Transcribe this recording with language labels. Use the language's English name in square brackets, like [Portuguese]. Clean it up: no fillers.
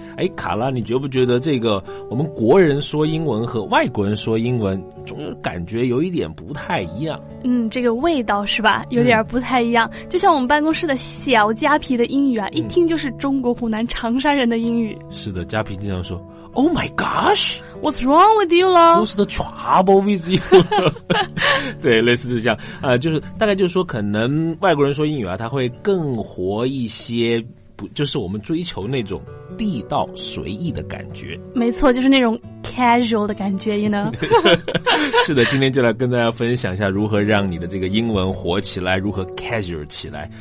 [Chinese] 哎，卡拉，你觉不觉得这个我们国人说英文和外国人说英文总有感觉有一点不太一样？嗯，这个味道是吧，有点不太一样。就像我们办公室的小佳皮的英语啊，一听就是中国湖南长沙人的英语。是的，佳皮经常说 [English] Oh my gosh, What's wrong with you, love? What's the trouble with you? [Chinese] 对，类似是这样啊，就是大概就是说可能外国人说英语啊，他会更活一些，就是我们追求那种地道随意的感觉。没错，就是那种 casual 的感觉， [English] you know? [Chinese] 是的，今天就来跟大家分享一下如何让你的这个英文活起来，如何 casual 起来。